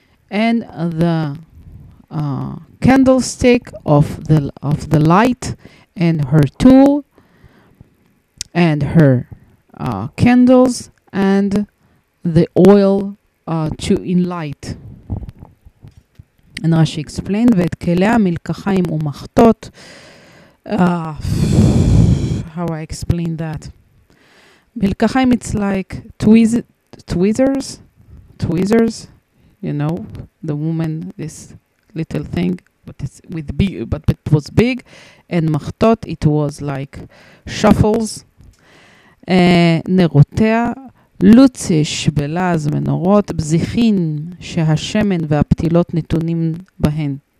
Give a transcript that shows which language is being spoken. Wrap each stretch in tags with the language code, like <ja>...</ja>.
<en>And the candlestick of the light, and her tool, and her candles, and the oil to enlight. And Rashi explained,</en> <he>ואת כליה מלקחיים ומחתות.</he> <en>How I explain that? מלקחיים, it's like tweezers, you know, the woman, this little thing, but it was big, and מחתות, it was like shuffles,</en> <he>נרותיה, לוציש בלז מנורות, בזיכין שהשמן והפתילות נתונים בהן.</he>